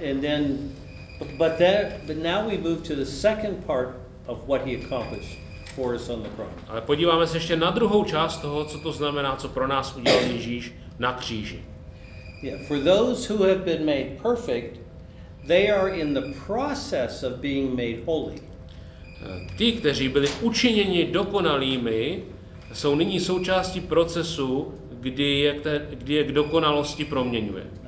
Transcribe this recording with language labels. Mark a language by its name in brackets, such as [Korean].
[English] And then but now we move to the second part of what he accomplished for us on the cross. [Czech] Ale podíváme se ještě na druhou část toho, co to znamená, co pro nás udělal Ježíš na kříži. [English] Yeah, for those who have been made perfect, they are in the process of being made holy. [Czech] Ti, kteří byli učiněni dokonalými, jsou nyní součástí procesu, kdy je k dokonalosti proměňuje.